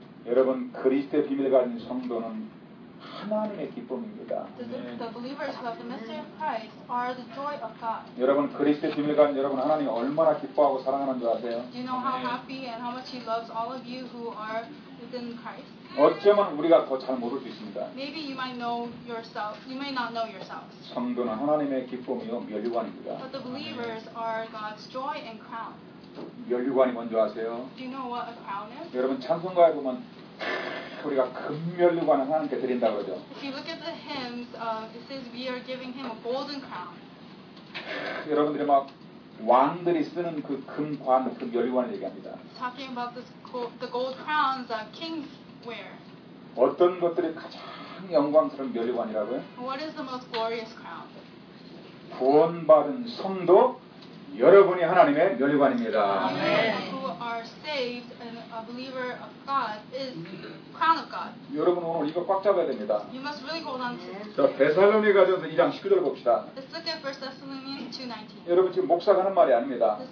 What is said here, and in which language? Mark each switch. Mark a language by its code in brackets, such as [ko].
[ko] 여러분 그리스도의 비밀을 가진 성도는 하나님의 기쁨입니다. [en] The believers who have the mystery of Christ are the joy of God. [ko] 여러분 그리스도의 비밀을 가진 여러분 하나님 얼마나 기뻐하고 사랑하는 줄 아세요? [en] Do you know how happy and how much He loves all of you who are within Christ? [ko] 어쩌면 우리가 더 잘 모를 수 있습니다. [en] Maybe you might know yourself. You may not know yourselves. [ko] 성도는 하나님의 기쁨이요 면류관입니다. [en] But the believers are God's joy and crown. [ko] 면류관이 뭔지 아세요? [en] Do you know what a crown is? [ko] 여러분 찬송가에 보면 우리가 금면류관을 하나님께 드린다 그러죠. [en] If you look at the hymns, it says we are giving Him a golden crown. [ko] 여러분들이 막 왕들이 쓰는 그 금관, 그 면류관을 얘기합니다. [en] It's talking about this gold, the gold crowns that kings wear. [ko] 어떤 것들이 가장 영광스러운 면류관이라고요? [en] What is the most glorious crown? [ko] 구원받은 성도 여러분이 하나님의 면류관입니다. [en] Who are saved and a believer of God is crown of God. [ko] 여러분 오늘 이거 꽉 잡아야 됩니다. [en] You must really hold on to. [ko] 자, 데살로니가전서 2장 19절을 봅시다. [en] Let's look at 1 Thessalonians 2:19. [ko] 여러분 지금 목사가 하는 말이 아닙니다.